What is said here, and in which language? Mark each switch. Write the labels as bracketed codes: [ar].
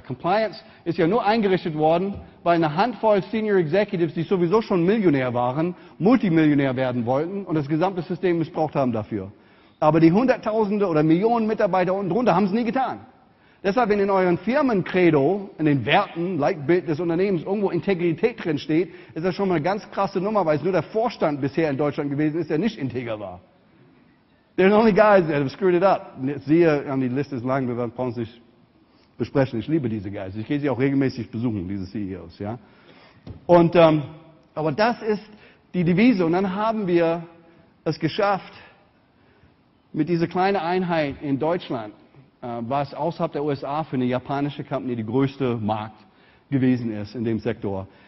[de] Compliance ist ja nur eingerichtet worden, weil eine Handvoll Senior Executives, die sowieso schon Millionär waren, Multimillionär werden wollten und das gesamte System missbraucht haben dafür. Aber die Hunderttausende oder Millionen Mitarbeiter unten drunter haben es nie getan. Deshalb, wenn in euren Firmen-Credo, in den Werten, Leitbild des Unternehmens, irgendwo Integrität drin steht, ist das schon mal eine ganz krasse Nummer, weil es nur der Vorstand bisher in Deutschland gewesen ist, der nicht integer war. [en] They're the only guys that have screwed it up. [de] Siehe, die Liste ist lang, wir brauchen es nicht besprechen. Ich liebe diese Guys. Ich gehe sie auch regelmäßig besuchen, diese CEOs. Ja? Und, aber das ist die Devise. Und dann haben wir es geschafft, mit dieser kleinen Einheit in Deutschland, was außerhalb der USA für eine japanische Company die größte Markt gewesen ist in dem Sektor.